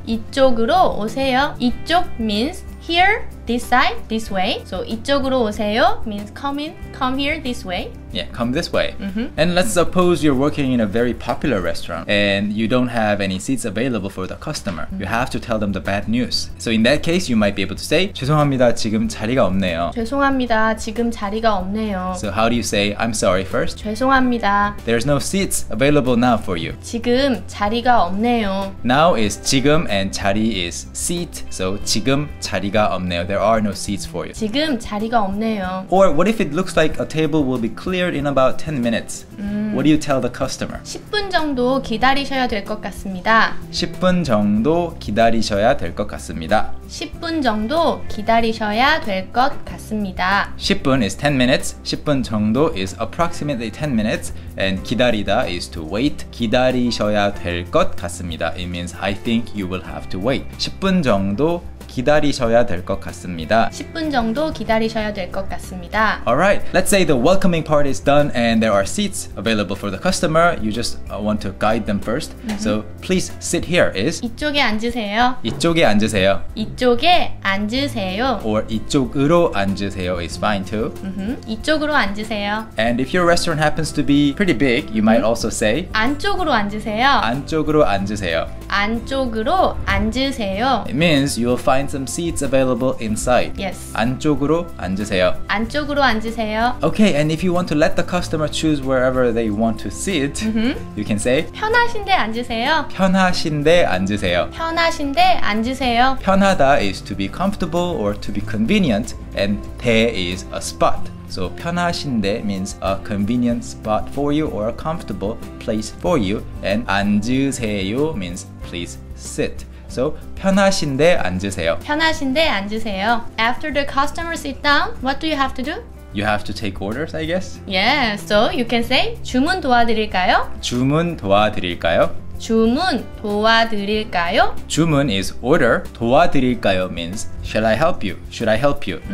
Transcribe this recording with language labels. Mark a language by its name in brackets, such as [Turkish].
[Korean] 이쪽으로 오세요. [English] 이쪽 means here, this side, this way. So [Korean] 이쪽으로 오세요 [English] means come in, come here, this way. Yeah, come this way. Mm-hmm. And let's suppose you're working in a very popular restaurant and you don't have any seats available for the customer. Mm-hmm. You have to tell them the bad news. So in that case, you might be able to say [Korean] 죄송합니다, 지금 자리가 없네요. 죄송합니다, 지금 자리가 없네요. [English] So how do you say I'm sorry first? [Korean] 죄송합니다. [English] There's no seats available now for you. [Korean] 지금 자리가 없네요. [English] Now is 지금 and 자리 is seat. [Korean] So 지금 자리가 없네요. [English] There are no seats for you. [Korean] 지금 자리가 없네요. [English] Or what if it looks like a table will be cleared in about 10 minutes. What do you tell the customer? [Korean] 10분 정도 기다리셔야 될 것 같습니다. 10분 정도 기다리셔야 될 것 같습니다. 10분 정도 기다리셔야 될 것 같습니다. [English] 10분 is 10 minutes. 10분 정도 is approximately 10 minutes. And 기다리다 is to wait. [Korean] 기다리셔야 될 것 같습니다. [English] It means I think you will have to wait. [Korean] 10분 정도 기다리셔야 될 것 같습니다. 10분 정도 기다리셔야 될 것 같습니다. [English] Alright, let's say the welcoming part is done and there are seats available for the customer. You just want to guide them first. Mm-hmm. So please sit here is [Korean] 이쪽에 앉으세요. 이쪽에 앉으세요. 이쪽에 앉으세요. [English] Or [Korean] 이쪽으로 앉으세요 [English] is fine too. [Korean] Mm-hmm. 이쪽으로 앉으세요. [English] And if your restaurant happens to be pretty big, you might also say [Korean] 안쪽으로 앉으세요. 안쪽으로 앉으세요. 안쪽으로 앉으세요. [English] It means you will find some seats available inside. Yes. [Korean] 안쪽으로 앉으세요. 안쪽으로 앉으세요. [English] Okay, and if you want to let the customer choose wherever they want to sit, you can say [Korean] 편하신데 앉으세요. 편하신데 앉으세요. 편하신데 앉으세요. [English] 편하다 is to be comfortable or to be convenient, and 대 is a spot. So 편하신데 means a convenient spot for you or a comfortable place for you. And 앉으세요 means please sit. [Korean] So 편하신데 앉으세요. 편하신데 앉으세요. [English] After the customer sit down, what do you have to do? You have to take orders, I guess. Yeah, so you can say [Korean] 주문 도와드릴까요? 주문 도와드릴까요? 주문 도와드릴까요? [English] 주문 is order. 도와드릴까요 means shall I help you? Should I help you?